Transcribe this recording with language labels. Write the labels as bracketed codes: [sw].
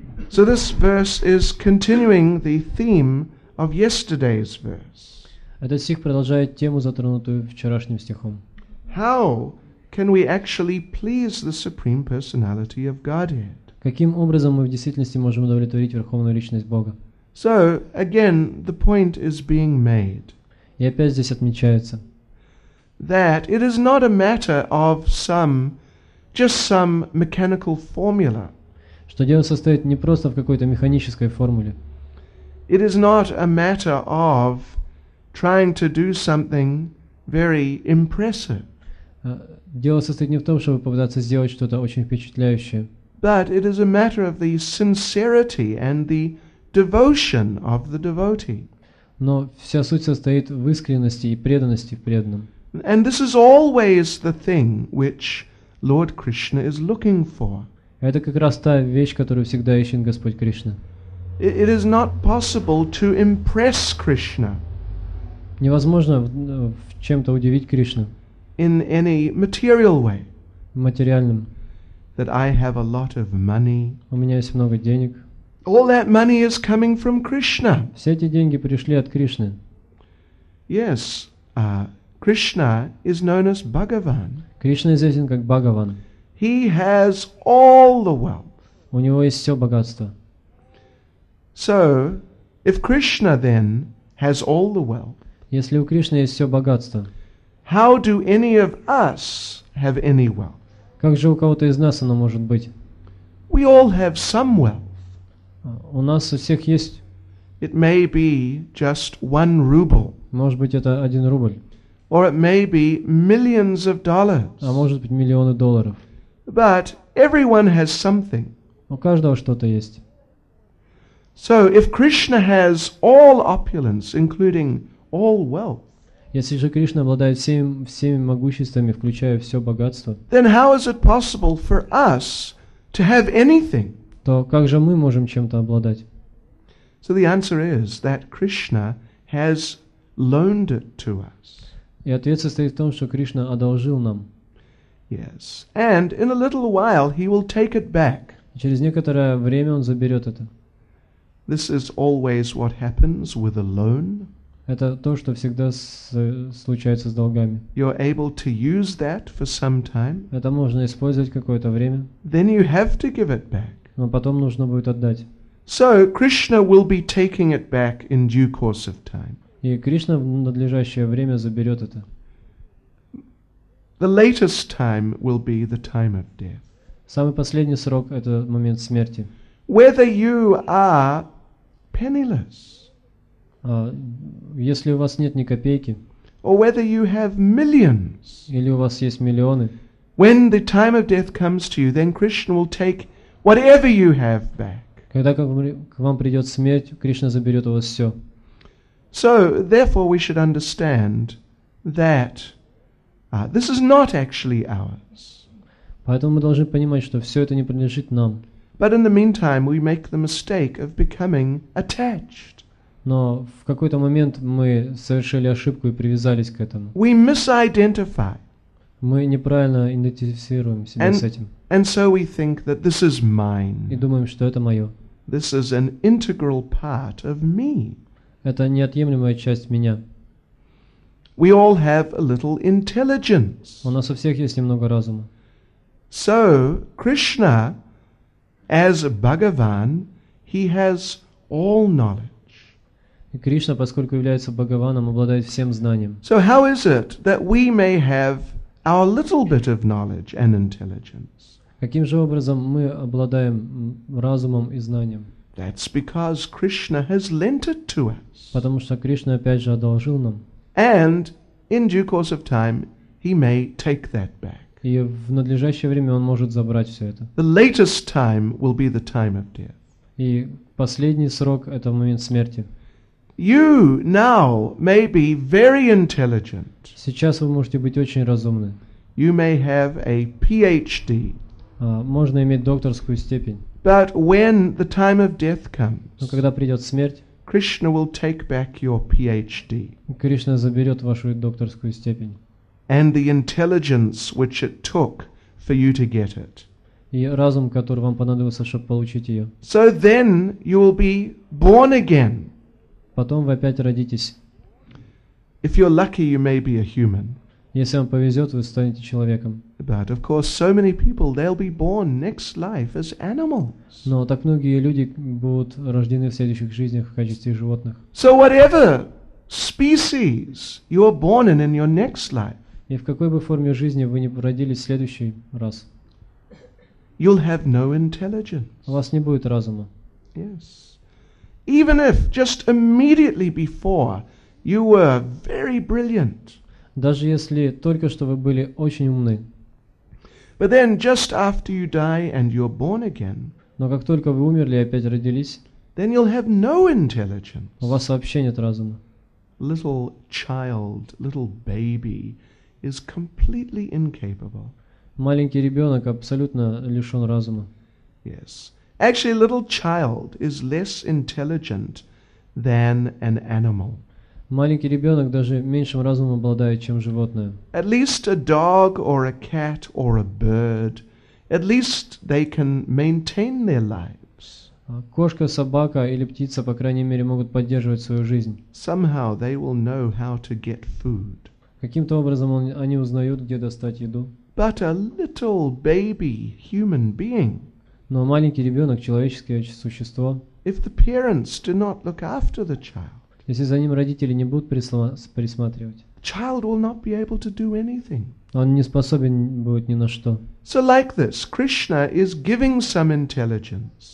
[en] So this verse is continuing the theme of yesterday's verse. [ru] Этот стих продолжает тему, затронутую вчерашним стихом. [en] How can we actually please the Supreme Personality of Godhead? [ru] Каким образом мы в действительности можем удовлетворить Верховную Личность Бога? [en] So, again, the point is being made. [ru] И опять здесь отмечается. [en] That it is not a matter of just some mechanical formula. [ru] Что дело состоит не просто в какой-то механической формуле. [en] It is not a matter of trying to do something very impressive. [ru] Дело состоит не в том, чтобы попытаться сделать что-то очень впечатляющее. [en] But it is a matter of the sincerity and the devotion of the devotee. [ru] Но вся суть состоит в искренности и преданности преданным. [en] And this is always the thing which Lord Krishna is looking for. [ru] Это как раз та вещь, которую всегда ищет Господь Кришна. [en] It is not possible to impress Krishna. [ru] Невозможно в чем-то удивить Кришну. [en] In any material way, [ru] материальным, [en] that I have a lot of money. [ru] У меня есть много денег. [en] All that money is coming from Krishna. [ru] Все эти деньги пришли от Кришны. [en] Yes, Krishna is known as Bhagavan. [ru] Кришна известен как Бхагаван. [en] He has all the wealth. [ru] У него есть все богатство. [en] So, if Krishna then has all the wealth, [ru] если у Кришны есть все богатство. [en] How do any of us have any wealth? [ru] Как же у кого-то из нас оно может быть? [en] We all have some wealth. [ru] У нас у всех есть. [en] It may be just one ruble. [ru] Может быть, это один рубль. [en] Or it may be millions of dollars. [ru] А может быть, миллионы долларов. [en] But everyone has something. [ru] У каждого что-то есть. [en] So if Krishna has all opulence, including all wealth, [ru] если же Кришна обладает всеми могуществами, включая все богатство, [en] then how is it possible for us to have anything? [ru] То как же мы можем чем-то обладать? [en] So the answer is that Krishna has loaned it to us. [ru] И ответ состоит в том, что Кришна одолжил нам. [en] Yes, and in a little while he will take it back. [ru] Через некоторое время он заберет это. [en] This is always what happens with a loan. [ru] Это то, что всегда случается с долгами. [en] You're able to use that for some time. [ru] Это можно использовать какое-то время. [en] Then you have to give it back. [ru] Но потом нужно будет отдать. [en] So Krishna will be taking it back in due course of time. [ru] И Кришна в надлежащее время заберет это. [en] The latest time will be the time of death. [ru] Самый последний срок – это момент смерти. [en] Whether you are penniless. [ru] Если у вас нет ни копейки, [en] or whether you have millions, [ru] или у вас есть миллионы, [en] when the time of death comes to you, then Krishna will take whatever you have back. [ru] Когда к вам придет смерть, Кришна заберет у вас все. [en] So therefore, we should understand that this is not actually ours. [ru] Поэтому мы должны понимать, что все это не принадлежит нам. [en] But in the meantime, we make the mistake of becoming attached. [ru] Но в какой-то момент мы совершили ошибку и привязались к этому. [en] We misidentify. [ru] Мы неправильно идентифицируем себя с этим. [en] And so we think that this is mine. [ru] И думаем, что это мое. [en] This is an integral part of me. [ru] Это неотъемлемая часть меня. [en] We all have a little intelligence. [ru] У нас у всех есть немного разума. [en] So Krishna, as Bhagavan, he has all knowledge. [ru] И Кришна, поскольку является Бхагаваном, обладает всем знанием. [en] So how is it that we may have our little bit of knowledge and intelligence? [ru] Каким же образом мы обладаем разумом и знанием? [en] That's because Krishna has lent it to us. [ru] Потому что Кришна опять же одолжил нам. [en] And in due course of time, he may take that back. [ru] И в надлежащее время он может забрать все это. [en] The latest time will be the time of death. [ru] И последний срок – это момент смерти. [en] You now may be very intelligent. [ru] Сейчас вы можете быть очень разумны. [en] You may have a PhD. [ru] Можно иметь докторскую степень. [en] But when the time of death comes, [ru] но когда придет смерть, [en] Krishna will take back your PhD. [ru] Кришна заберет вашу докторскую степень. [en] And the intelligence which it took for you to get it. [ru] И разум, который вам понадобился, чтобы получить ее. [en] So then you will be born again. [ru] Потом вы опять родитесь. [en] If you're lucky, you may be a human. [ru] Если вам повезет, вы станете человеком. [en] But of course, so many people, they'll be born next life as animals. [ru] Но так многие люди будут рождены в следующих жизнях в качестве животных. [en] So whatever species you are born in your next life. [ru] И в какой бы форме жизни вы ни родились в следующий раз. [en] You'll have no intelligence. [ru] У вас не будет разума. [en] Yes. Even if just immediately before you were very brilliant. [ru] Даже если только что вы были очень умны. [en] But then just after you die and you're born again. [ru] Но как только вы умерли и опять родились. [en] Then you'll have no intelligence. [ru] У вас вообще нет разума. [en] Little child, little baby is completely incapable. [ru] Маленький ребенок абсолютно лишен разума. [en] Yes. Actually, a little child is less intelligent than an animal. [ru] Маленький ребенок даже меньшим разумом обладает, чем животное. [en] At least a dog or a cat or a bird, at least they can maintain their lives. [ru] Кошка, собака или птица, по крайней мере, могут поддерживать свою жизнь. [en] Somehow they will know how to get food. [ru] Каким-то образом они узнают, где достать еду. [en] But a little baby human being. [ru] Но маленький ребенок, человеческое существо, [en] if the parents do not look after the child, [ru] Если за ним родители не будут присматривать, [en] child will not be able to do anything. [ru] Он не способен будет ни на что. [en] So like this, Krishna is giving some intelligence.